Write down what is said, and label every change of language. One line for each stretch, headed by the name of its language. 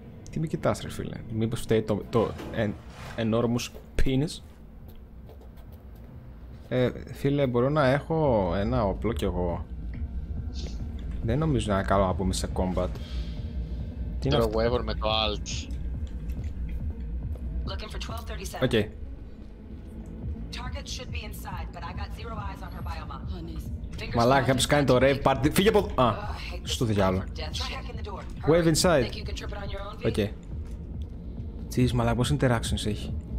Greek: Τι με κοιτάς ρε φίλε, μήπως φταίει το
English: enormous penis.
Greek: Ε, φίλε, μπορώ να έχω ένα όπλο κι εγώ. Δεν νομίζω να είναι καλό να πούμε σε combat. Τι είναι αυτό. Weaver με το alt.
English: Looking for 1237. Okay. Target should be inside, but I got zero eyes on her biomarker. Honey's.
Greek: Μαλάκα, κάποιος κάνει το rave party. Φύγε από... Α, στο διάλο.
English: Wave inside.
Greek: Οκ. Τι είσαι, μαλάκα, πόσες interactions έχει.